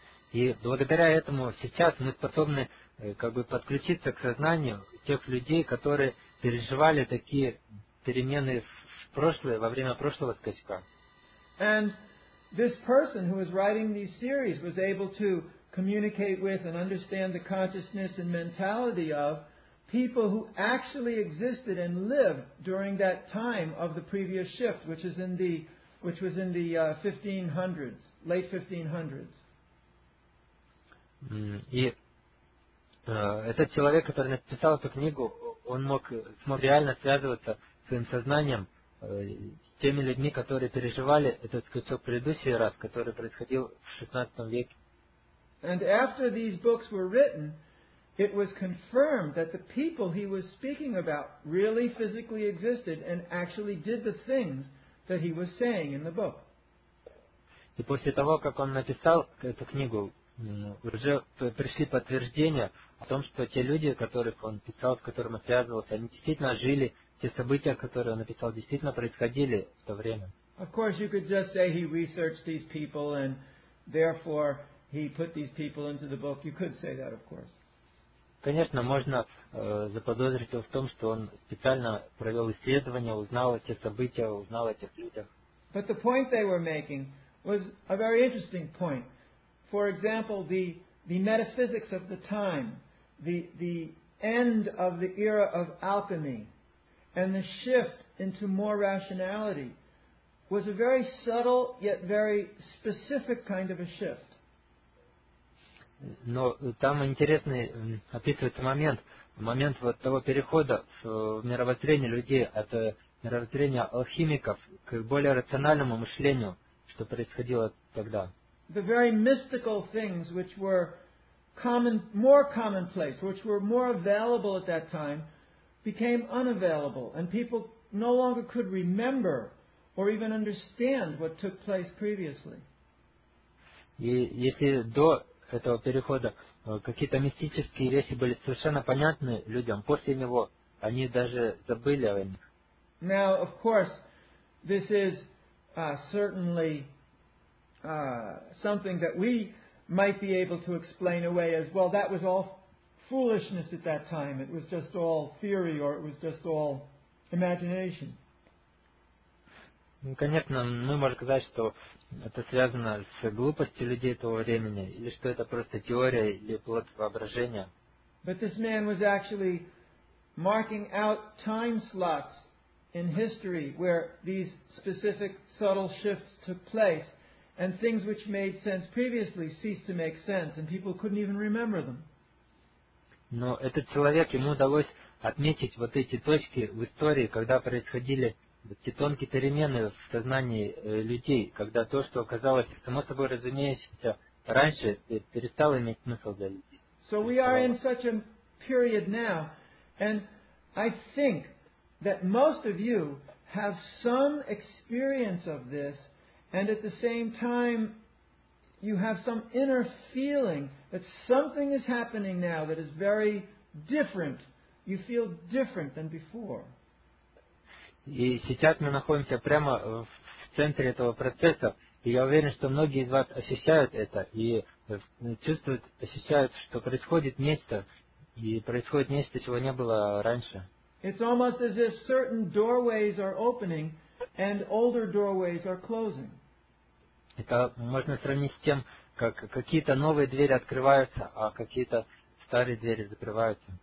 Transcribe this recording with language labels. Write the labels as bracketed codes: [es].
[ru] И благодаря этому сейчас мы способны как бы подключиться к сознанию тех людей, которые переживали такие перемены в прошлое, во время прошлого скачка. [en] And this person who was writing these series was able to communicate with and understand the consciousness and mentality of people who actually existed and lived during that time of the previous shift, which was in the 1500s, late 1500s. [ru] И этот человек, который написал эту книгу, он смог реально связываться своим сознанием с теми людьми, которые переживали этот скачок предыдущий раз, который происходил в 16 веке. [en] And after these books were written, it was confirmed that the people he was speaking about really physically existed and actually did the things that he was saying in the book. [ru] И после того, как он написал эту книгу, уже пришли подтверждения о том, что те люди, которых он писал, с которыми он связывался, они действительно жили, те события, которые он написал, действительно происходили в то время. [en] Of course, you could just say he researched these people and therefore he put these people into the book. You could say that, of course. [ru] Конечно, можно заподозрить его в том, что он специально провел исследование, узнал эти события, узнал этих людях. [en] But the point they were making was a very interesting point. For example, the metaphysics of the time, the end of the era of alchemy, and the shift into more rationality was a very subtle yet very specific kind of a shift. [ru] Но там интересный описывается момент вот того перехода в мировоззрение людей от мировоззрения алхимиков к более рациональному мышлению, что происходило тогда. [en] The very mystical things which were common, more commonplace, which were more available at that time, became unavailable, and people no longer could remember or even understand what took place previously. [ru] И если до этого перехода какие-то мистические вещи были совершенно понятны людям, после него они даже забыли о них. [en] Now, of course, this is certainly something that we might be able to explain away as well. That was all foolishness at that time. It was just all theory or it was just all imagination. [ru] Конечно, мы можем сказать, что это связано с глупостью людей того времени, или что это просто теория или плод воображения. [en] But this man was actually marking out time slots in history where these specific subtle shifts took place, and things which made sense previously ceased to make sense, and people couldn't even remember them. [ru] Но этот человек, ему удалось отметить вот эти точки в истории, когда происходили эти тонкие перемены в сознании людей, когда то, что оказалось само собой разумеющимся раньше, перестало иметь смысл для людей. [en] So we are in such a period now, and I think that most of you have some experience of this, and at the same time, you have some inner feeling that something is happening now that is very different. You feel different than before. [ru] И сейчас мы находимся прямо в центре этого процесса, и я уверен, что многие из вас ощущают это и чувствуют, ощущают, что происходит нечто, и происходит нечто, чего не было раньше. [en] It's almost as if certain doorways are opening and older doorways are closing. [ru] Это можно сравнить с тем, как какие-то новые двери открываются, а какие-то старые двери закрываются.